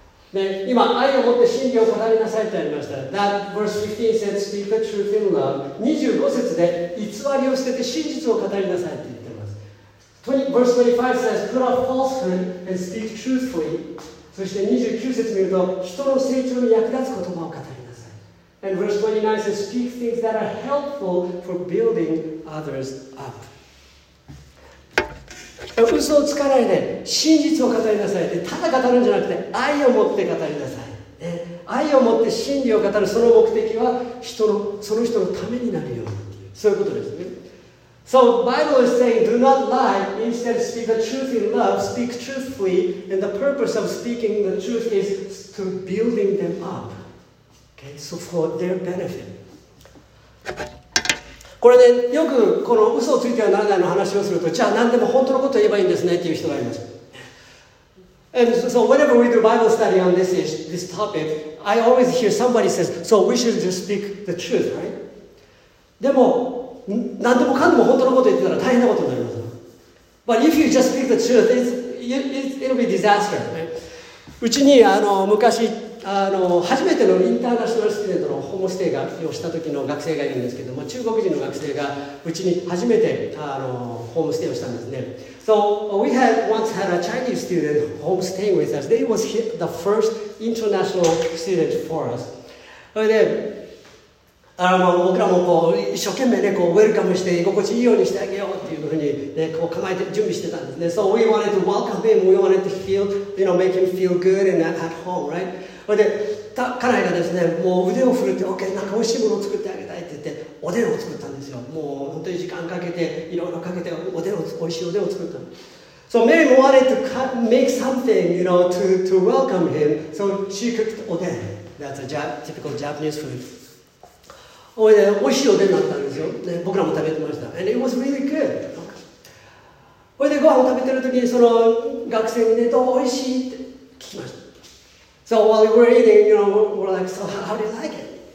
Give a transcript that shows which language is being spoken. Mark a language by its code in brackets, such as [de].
[ja] で今、愛を持って真理を語りなさいってありました。 [en] That verse 15 said, speak the truth in love. [ja] 25節で、偽りを捨てて真実を語りなさいって言ってます。 [en] Verse 25 says, put off falsehood and speak truthfully. [ja] そして29節見ると、人の成長に役立つ言葉を語りなさい。 [en] And verse 29 says, speak things that are helpful for building others up. [ja] 嘘をつかないで真実を語りなさいってただ語るんじゃなくて愛を持って語りなさい、ね、愛を持って真理を語るその目的は人のその人のためになるようにそういうことですね [en] So Bible is saying do not lie instead speak the truth in love speak truthfully and the purpose of speaking the truth is to building them up okay so for their benefit [ja] これね、よくこの嘘をついてはならないの話をすると、じゃあ何でも本当のことを言えばいいんですねっていう人がいます。 [en] And so whenever we do Bible study on this topic, I always hear somebody says, so we should just speak the truth, right? [ja] でも、何でもかんでも本当のことを言ってたら大変なことになります。 [en] But if you just speak the truth, it'll be disaster, right? [ja] うちに昔、初めてのインターナショナルスティデントのホームステイをした時の学生がいるんですけども中国人の学生がうちに初めてホームステイをしたんですね [en] So we had once had a Chinese student home staying with us They was the first international student for us [ja] それで僕らもこう一生懸命ね、こうウェルカムして居心地いいようにしてあげようっていうふうにね、こう構えて準備してたんですね。 [en] So we wanted to welcome him, we wanted to feel, you know, make him feel good and at home, right? [ja] それで家内がですね、もう腕を振るって、OK、なんか美味しいものを作ってあげたいって言って、おでんを作ったんですよ。もう本当に時間かけて、いろいろかけて、おでんを、美味しいおでんを作ったんです。 [en] So Mary wanted to cut, make something, you know, to welcome him. So she cooked oden. That's a typical Japanese food. Oh, yeah, [ja] 美味しいおでんだったんですよ。ね、僕らも食べてました。 [en] And it was really good. Okay. [ja] それでご飯を食べてるときに、その学生にね、どう美味しいって聞きました。 [en] So while we were eating, you know, we're like, so how do you like it?